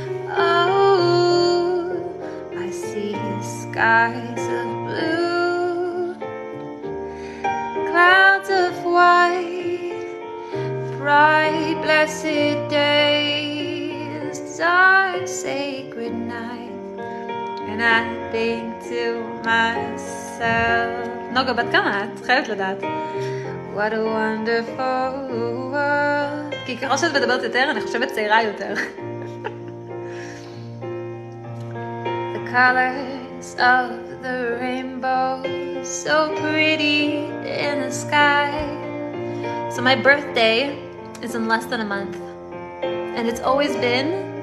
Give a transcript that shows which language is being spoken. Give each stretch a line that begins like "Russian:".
English: Oh, I see the skies of blue, clouds of white, bright, blessed days, dark, sacred night. And I think to myself, no, go, but come on, it's hard to that. What a wonderful world.
Hebrew: כי ככל שאת מדברת יותר, אני חושבת צעירה יותר.
English: The colors of the rainbow, so pretty in the sky. So my birthday is in less than a month. And it's always been...